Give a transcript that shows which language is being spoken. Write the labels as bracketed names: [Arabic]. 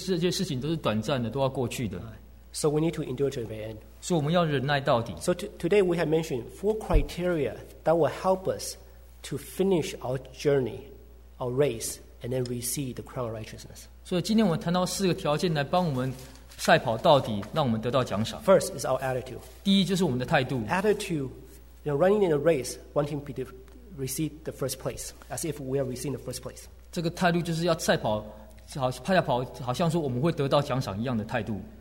[Chinese] 所以不要相信我们眼睛所见的一件，在这个世界上的一件每件事，因为这些事情都是短暂的，都要过去的。 [English] So we need to endure to the end. [Chinese] 所以我们要忍耐到底。 [English] So today we have mentioned four criteria that will help us to finish our journey, our race, and then receive the crown of righteousness. [Chinese] 所以今天我们谈到四个条件来帮我们 赛跑到底, 让我们得到奖赏。 [English] First is our attitude. [Chinese] 第一就是我们的态度。 [English] Attitude, you know, running in a race, wanting to receive the first place, as if we are receiving the first place. [Chinese] 这个态度就是要赛跑, 好像说我们会得到奖赏一样的态度。